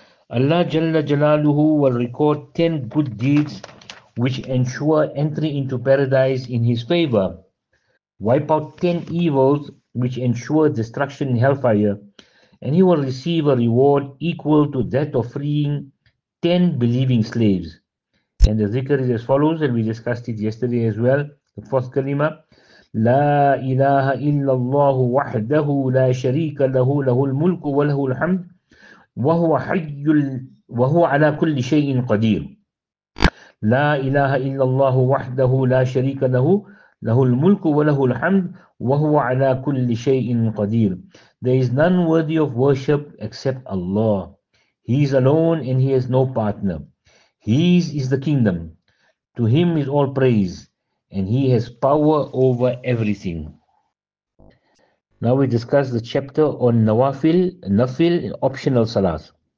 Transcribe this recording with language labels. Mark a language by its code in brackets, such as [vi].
[en] Allah Jalla Jalaluhu will record 10 good deeds which ensure entry into paradise in his favor, wipe out 10 evils which ensure destruction in hellfire, and he will receive a reward equal to that of freeing 10 believing slaves. And the zikr is as follows, and we discussed it yesterday as well, the fourth kalima, [ar] La ilaha illallah wahdahu la sharika lahu lahul mulku wa lahul hamd. وَهُوَ حَيُّ وَهُوَ عَلَى كُلِّ شَيْءٍ قَدِيرٌ لَا إِلَهَ إِلَّا اللَّهُ وَحْدَهُ لَا شَرِيكَ لَهُ لَهُ الْمُلْكُ وَلَهُ الْحَمْدُ وَهُوَ عَلَى كُلِّ شَيْءٍ قَدِيرٌ [en] There is none worthy of worship except Allah. He is alone and He has no partner. His is the kingdom. To Him is all praise. And He has power over everything. Now we discuss the chapter on nafil, optional salat.